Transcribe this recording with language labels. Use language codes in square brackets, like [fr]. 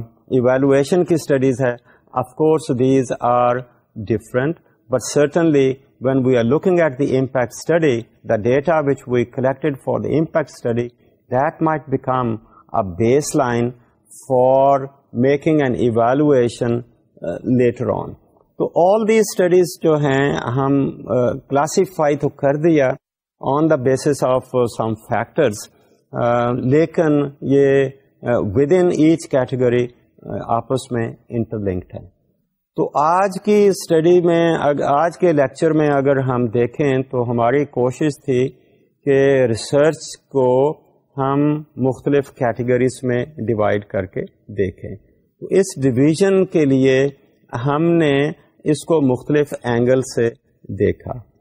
[ur] Evaluation کی studies ہے, [en] Of course these are different, but certainly when we are looking at the impact study the data which we collected for the impact study that might become a base line for making an evaluation later on. So all these studies [ur] جو ہیں ہم classify تو کر دیا [en] on the basis of some factors, [ur] لیکن یہ within each category آپس میں interlinked ہیں. تو آج کی اسٹڈی میں, آج کے لیکچر میں اگر ہم دیکھیں تو ہماری کوشش تھی کہ ریسرچ کو ہم مختلف کیٹیگریز میں ڈیوائڈ کر کے دیکھیں. اس ڈویژن کے لیے ہم نے اس کو مختلف اینگل سے دیکھا.